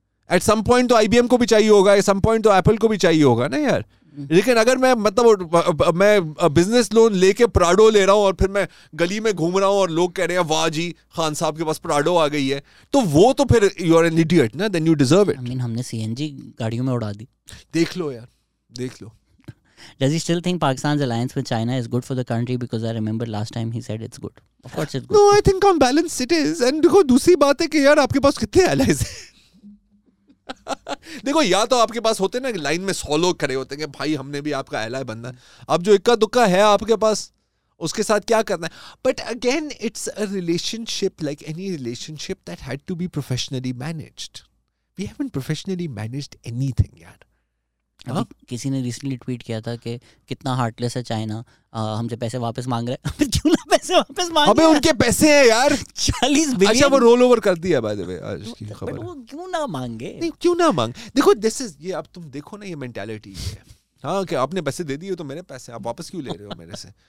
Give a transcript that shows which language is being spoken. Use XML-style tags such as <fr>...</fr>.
<en>at some point</en> <hi>तो IBM को भी चाहिए होगा, एट सम पॉइंट तो एप्पल को भी चाहिए होगा ना यार. लेकिन अगर मैं मतलब मैं बिजनेस लोन लेके प्राडो ले रहा हूँ और फिर मैं गली में घूम रहा हूँ और लोग कह रहे हैं वाह जी खान साहब के पास प्राडो आ गई है, तो वो तो फिर</hi> <en>You are an idiot ना, then you deserve it.</en> <hi>I mean हमने सीएनजी गाड़ियों में उड़ा दी. देख लो यार, देख लो.</hi> <en>Does he still think Pakistan's alliance with China is good for the country? Because I remember last time he said it's good. Of course it's good. No, I think on balance it is.</en> <hi>And देखो दूसरी बात है कि यार आपके पास कितने allies हैं. देखो या तो आपके पास होते ना लाइन में 100 लोग खड़े होते हैं कि भाई हमने भी आपका ally बनना है. अब जो इक्का दुक्का है आपके पास उसके साथ क्या करना है.</hi> <en>But again, it's a relationship like any relationship that had to be professionally managed. We haven't professionally managed anything, yaar.</en> <hi>किसी ने रिसेंटली ट्वीट किया था कि कितना हार्टलेस है चाइना, हमसे पैसे वापस मांग रहे हैं. क्यों ना पैसे वापस मांग रहे हैं, उनके पैसे हैं यार 40 बिलियन. अच्छा वो रोल ओवर कर दिया बाय द वे आज की खबर. वो क्यों ना मांगे, नहीं क्यों ना मांग. देखो दिस इज ये, अब तुम देखो ना ये मेंटालिटी है. हाँ कि आपने पैसे दे दिए तो मेरे पैसे आप वापस क्यों ले रहे हो मेरे से.</hi>